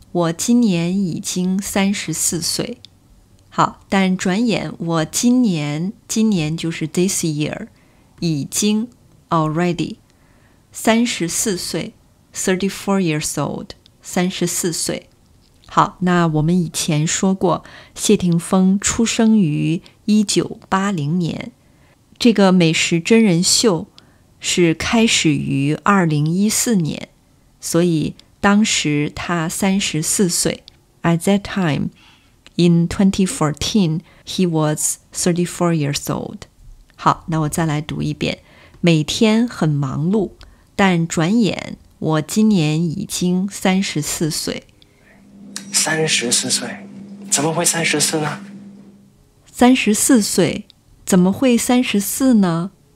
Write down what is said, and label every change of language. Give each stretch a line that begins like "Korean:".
Chinese: 我今年已经34岁。好，但转眼我今年，今年就是
English: this year，
Chinese: 已经
English: already
Chinese: 34岁 ，
English: 34 years old，
Chinese: 34岁。好，那我们以前说过，谢霆锋出生于1980年，这个美食真人秀是开始于2014年，所以。当时他34岁。
English: At that time, in 2014, he was 34 years old.
Chinese: 好，那我再来读一遍。每天很忙碌，但转眼我今年已经34岁。 34岁？怎么会34呢？ 34岁？怎么会34呢？